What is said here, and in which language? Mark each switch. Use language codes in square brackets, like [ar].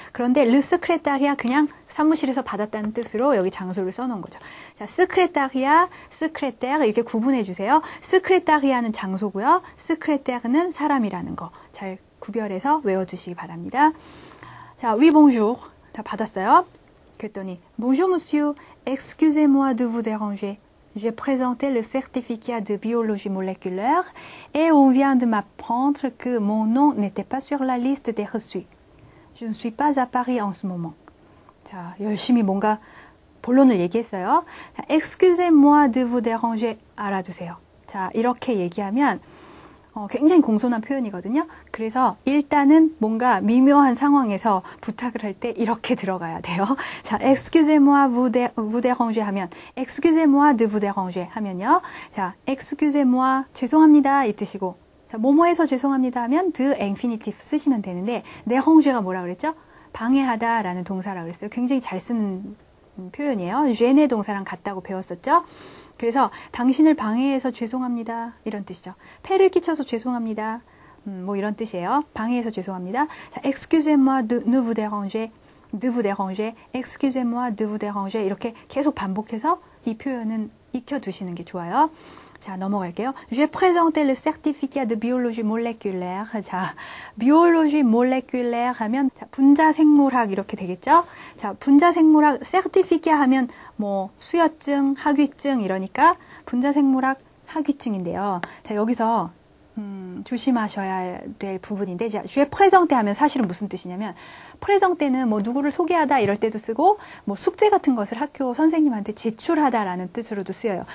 [ko] 그런데 le secrétaire야 그냥 사무실에서 받았다는 뜻으로 여기 장소를 써 놓은 거죠. 자, secrétaire야, secrétaire 이렇게 구분해 주세요. secrétaire야는 장소고요. secrétaire는 사람이라는 거. 잘 구별해서 외워 주시기 바랍니다. 자, [fr] oui bonjour. [ko] 다 받았어요. 그랬더니 [fr] Bonjour monsieur. Excusez-moi de vous déranger. J'ai présenté le certificat de biologie moléculaire et on vient de m'apprendre que mon nom n'était pas sur la liste des reçus. Je ne suis pas à Paris en ce moment. [ko] 자, 열심히 뭔가 본론을 얘기했어요. [fr] Excusez-moi de vous déranger. [ko] 알아두세요. 자, 이렇게 얘기하면 굉장히 공손한 표현이거든요. 그래서 일단은 뭔가 미묘한 상황에서 부탁을 할 때 이렇게 들어가야 돼요. 자, excusez-moi vous déranger 하면 [fr] excusez-moi de vous déranger [ko] 하면요. 자, excusez-moi 죄송합니다 이 뜻이고 자, 뭐뭐해서 죄송합니다 하면 [en] the infinitive [ko] 쓰시면 되는데 déranger가 뭐라 그랬죠? 방해하다 라는 동사라고 그랬어요. 굉장히 잘 쓰는 표현이에요. gêner 동사랑 같다고 배웠었죠. 그래서 당신을 방해해서 죄송합니다. 이런 뜻이죠. 폐를 끼쳐서 죄송합니다. 뭐 이런 뜻이에요. 방해해서 죄송합니다. [fr] 자, excusez-moi de vous déranger. De vous déranger. Excusez-moi de vous déranger. [ko] 이렇게 계속 반복해서 이 표현은 익혀 두시는 게 좋아요. 자, 넘어갈게요. [fr] J'ai présenté le certificat de biologie moléculaire. [ko] 자, biologie moléculaire 하면 자, 분자 생물학 이렇게 되겠죠? 자, 분자 생물학 certificat 하면 뭐 수여증, 학위증 이러니까 분자 생물학 학위증인데요. 자, 여기서 조심하셔야 될 부분인데 자, [fr] j'ai présenté [ko] 하면 사실은 무슨 뜻이냐면 présenté는 뭐 누구를 소개하다 이럴 때도 쓰고 뭐 숙제 같은 것을 학교 선생님한테 제출하다라는 뜻으로도 쓰여요.